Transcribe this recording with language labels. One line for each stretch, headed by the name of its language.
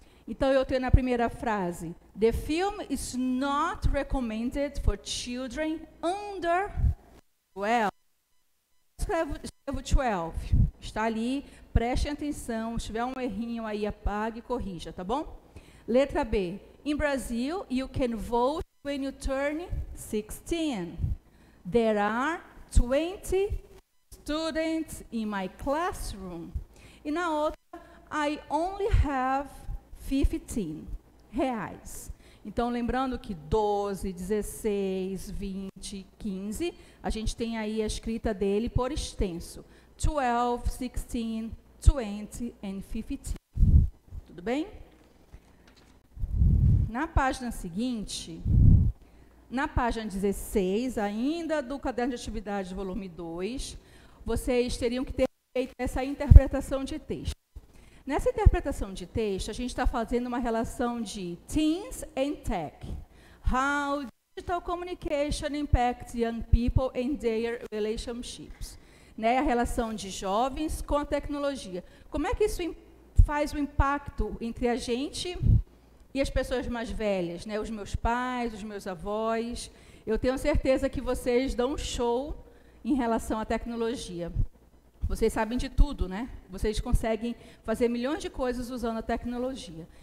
Portuguese: Então, eu tenho na primeira frase,
English: the film is not recommended for children under 12.
Portuguese: Escrevo 12. Está ali, preste atenção, se tiver um errinho aí, apague e corrija, tá bom? Letra B,
English: in Brazil, you can vote when you turn 16. There are 20 students in my classroom.
Portuguese: E na outra,
English: I only have 15 reais.
Portuguese: Então, lembrando que 12, 16, 20, 15, a gente tem aí a escrita dele por extenso. 12, 16, 20 and 15. Tudo bem? Na página seguinte, na página 16, ainda do caderno de atividades volume 2, vocês teriam que ter feito essa interpretação de texto. Nessa interpretação de texto, a gente está fazendo uma relação de teens and tech.
English: How digital communication impacts young people and their relationships.
Portuguese: Né? A relação de jovens com a tecnologia. Como é que isso faz o impacto entre a gente e as pessoas mais velhas? Né? Os meus pais, os meus avós. Eu tenho certeza que vocês dão um show em relação à tecnologia. Vocês sabem de tudo, né? Vocês conseguem fazer milhões de coisas usando a tecnologia.